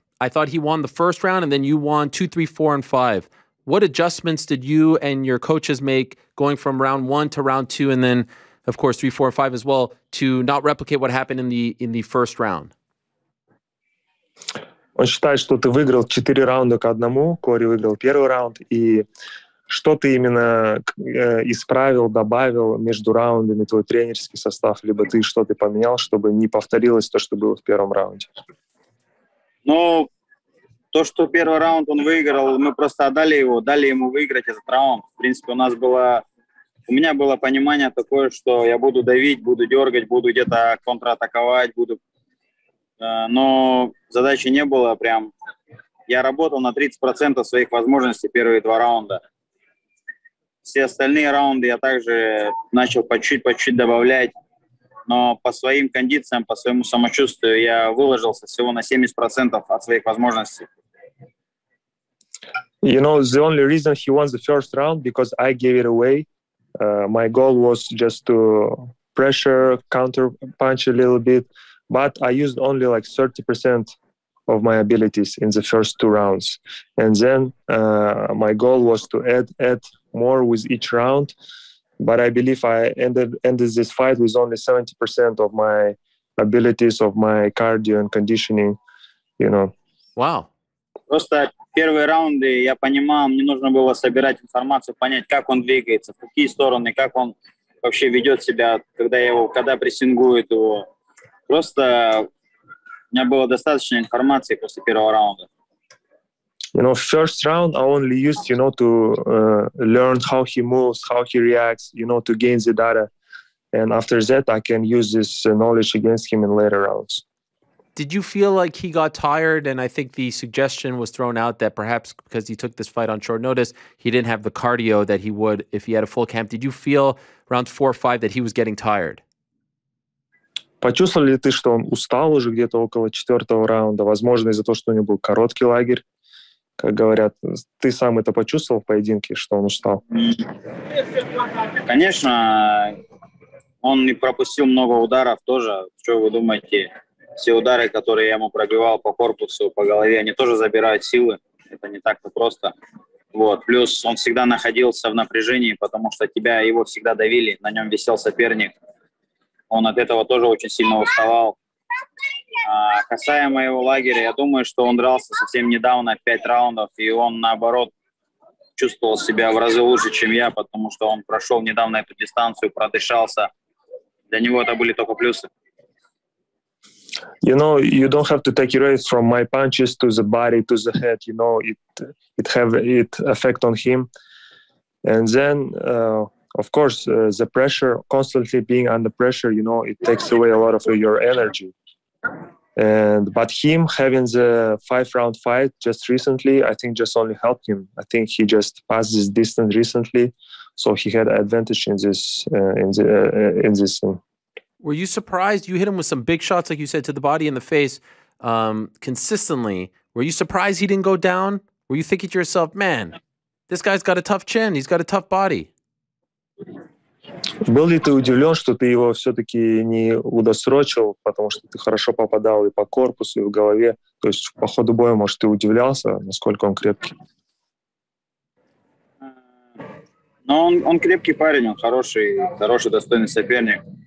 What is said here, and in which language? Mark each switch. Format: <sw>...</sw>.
<en>I thought he won the first round, and then you won 2, 3, 4, and 5. What adjustments did you and your coaches make going from round 1 to round 2, and then, of course, 3, 4, and 5 as well, to not replicate what happened in the first round?</en> <ru>Он считает, что ты выиграл 4 раунда к одному. Кори выиграл первый раунд, и что ты именно исправил, добавил между раундами, твой тренерский состав, либо ты что-то поменял, чтобы не повторилось то, что было в первом раунде? Ну, то, что первый раунд он выиграл, мы просто отдали его, дали ему выиграть этот раунд. В принципе, у меня было понимание такое, что я буду давить, буду дергать, буду где-то контратаковать, буду. Но задачи не было прям. Я работал на 30% своих возможностей первые два раунда. Все остальные раунды я также начал по чуть-чуть добавлять. Но по своим кондициям, по своему самочувствию я выложился всего на 70% от своих возможностей.</ru> <en>You know, the only reason he won the first round, because I gave it away. My goal was just to pressure, counter punch a little bit. But I used only like 30% of my abilities in the first two rounds. And then my goal was to add more with each round. But I believe I ended this fight with only 70% of my abilities, of my cardio and conditioning, you know. Wow.</en> <ru>Просто первые раунды я понимал, мне нужно было собирать информацию, понять, как он двигается, в какие стороны, как он вообще ведет себя, когда прессингует его. Просто у меня было достаточно информации после первого раунда.</ru> <en>You know, first round I only used, you know, to learn how he moves, how he reacts, you know, to gain the data. And after that, I can use this knowledge against him in later rounds. Did you feel like he got tired? And I think the suggestion was thrown out that perhaps because he took this fight on short notice, he didn't have the cardio that he would if he had a full camp. Did you feel round 4 or 5 that he was getting tired?</en> <ru>Почувствовал ли ты, что он устал уже где-то около четвертого раунда? Возможно, из-за того, что у него был короткий лагерь. Как говорят, ты сам это почувствовал в поединке, что он устал? Конечно, он не пропустил много ударов тоже. Что вы думаете? Все удары, которые я ему пробивал по корпусу, по голове, они тоже забирают силы. Это не так-то просто. Вот. Плюс он всегда находился в напряжении, потому что тебя его всегда давили, на нем висел соперник. Он от этого тоже очень сильно уставал. Касаемо его лагеря, я думаю, что он дрался совсем недавно, 5 раундов, и он, наоборот, чувствовал себя в разы лучше, чем я, потому что он прошел недавно эту дистанцию, продышался. Для него это были только плюсы.</ru> <en>You know, you don't have to take it away from my punches to the body, to the head, you know, it have it effect on him. And then, of course, the pressure, constantly being under pressure, you know, it takes away a lot of your energy. And but him having the 5-round fight just recently, I think just only helped him. I think he just passed this distance recently, so he had advantage in this thing. Were you surprised? You hit him with some big shots, like you said, to the body and the face consistently. Were you surprised he didn't go down? Were you thinking to yourself, man, this guy's got a tough chin, he's got a tough body?</en> <ru>Был ли ты удивлен, что ты его все-таки не удосрочил, потому что ты хорошо попадал и по корпусу, и в голове? То есть по ходу боя, может, ты удивлялся, насколько он крепкий? Ну, он крепкий парень, он хороший, достойный соперник.</ru>